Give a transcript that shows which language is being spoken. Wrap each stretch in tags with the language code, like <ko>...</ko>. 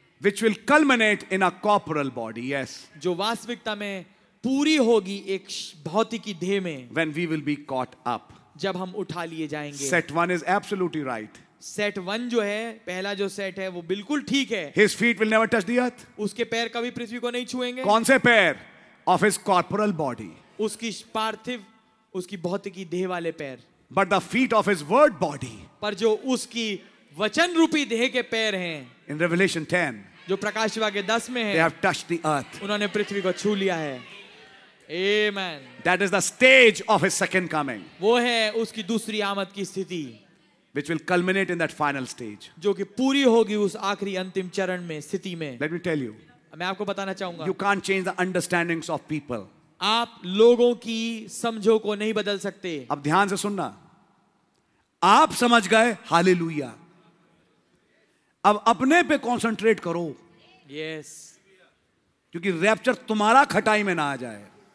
<en>Which will culminate in a corporal body? Yes.</en> <hi>जो वास्तविकता में पूरी होगी एक भौतिकी देह में.</hi> <en>When we will be caught up.</en> <hi>जब हम उठा लिए जाएंगे.</hi> <en>Set one is absolutely right.</en> <hi>Set one जो है, पहला जो set है, वो बिल्कुल ठीक है.</hi> <en>His feet will never touch the earth.</en> <hi>उसके पैर कभी पृथ्वी को नहीं छुएंगे. कौन से पैर?</hi> <en>Of his corporal body.</en> <hi>उसकी पार्थिव, उसकी भौतिकी देह वाले पैर.</hi> <en>But the feet of his word body.</en> <hi>पर जो उसकी वचन रूपी देह के पैर हैं.</hi> <en>In Revelation 10.</en> <hi>जो प्रकाश विभाग 10 में है.</hi> <en>They have touched the earth.</en> <hi>उन्होंने पृथ्वी को छू लिया है.</hi> <en>Amen. That is the stage of his second coming.</en> <hi>वो है उसकी दूसरी आमद की स्थिति.</hi> <en>Which will culminate in that final stage.</en> <hi>जो कि पूरी होगी उस आखिरी अंतिम चरण में स्थिति में.</hi> <en>Let me tell you.</en> <hi>मैं आपको बताना चाहूंगा.</hi> <en>You can't change the understandings of people.</en> <hi>आप लोगों की समझों को नहीं बदल सकते. अब ध्यान से सुनना. आप समझ गए, हालेलुया. अब अपने पे कॉन्सेंट्रेट करो.</hi> <en>Yes.</en> <hi>क्योंकि रैप्चर तुम्हारा खटाई में ना आ जाए.</hi>